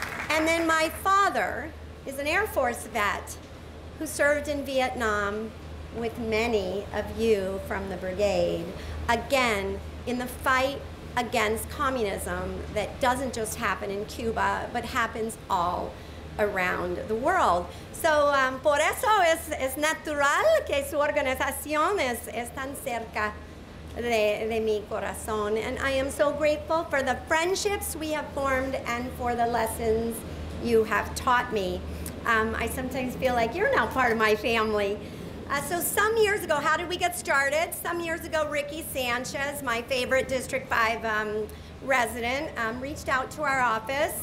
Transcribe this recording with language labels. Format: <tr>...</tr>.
<en>And then my father is an Air Force vet who served in Vietnam with many of you from the Brigade, again, in the fight against communism that doesn't just happen in Cuba, but happens all around the world.</en> <es>So por eso es natural que su organización es tan cerca de mi corazón.</es> <en>And I am so grateful for the friendships we have formed and for the lessons you have taught me. I sometimes feel like you're now part of my family. So some years ago, how did we get started? Some years ago, Ricky Sanchez, my favorite District 5 resident, reached out to our office.</en>